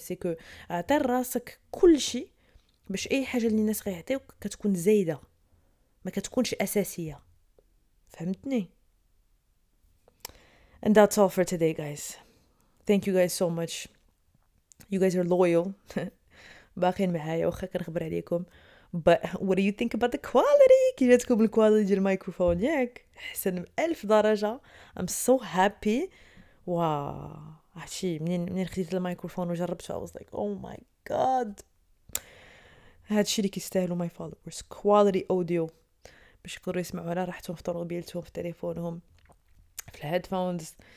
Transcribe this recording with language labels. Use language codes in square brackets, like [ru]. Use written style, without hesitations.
[ar] سي كو عطي راسك كلشي باش اي حاجه اللي الناس غيعطيوك كتكون زايده، ما كتكونش اساسيه. فهمتني؟ [en] And that's all for today, guys. Thank you guys so much. You guys are loyal. [ar] باقين معايا واخا كنخبر عليكم. [en] But what do you think about the quality? [ar] كي جاتكم الكواليتي ديال المايكروفون ياك؟ احسن ب 1000 درجه. [en] I'm so happy. [ar] واو هادشي منين خديت المايكروفون وجربته، [en] I was like oh my god. [ar] هادشي اللي كيستاهلوا [en] my followers. Quality audio [ar] باش يقدروا يسمعوا على راحتهم في طوموبيلتهم، في تليفونهم، في الهيدفونز.